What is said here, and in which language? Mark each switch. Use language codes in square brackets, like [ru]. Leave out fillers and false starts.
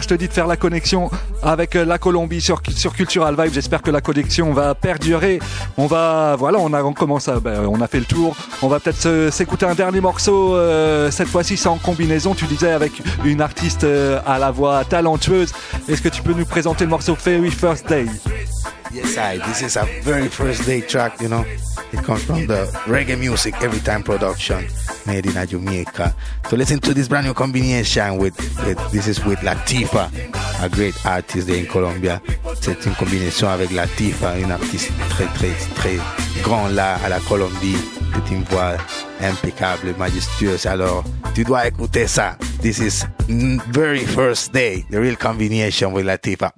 [fr] Je te dis de faire la connexion avec la Colombie sur Cultural Vibe. J'espère que la connexion va perdurer. On va, voilà, on a fait le tour. On va peut-être s'écouter un dernier morceau, cette fois-ci c'est en combinaison, tu disais, avec une artiste à la voix talentueuse. Est-ce que tu peux nous présenter le morceau Very First Day? [en] Yes, this is a very first day track, you know. It comes from the Reggae Music Everytime production made in Jamaica. So listen to this brand new combination with Latifah, a great artist there in Colombia. [fr] C'est une combination avec Latifah, une artiste très très très grand là à la Colombie. C'est une voix impeccable, majestueuse. Alors tu dois écouter ça. [en] This is very first day, the real combination with Latifah.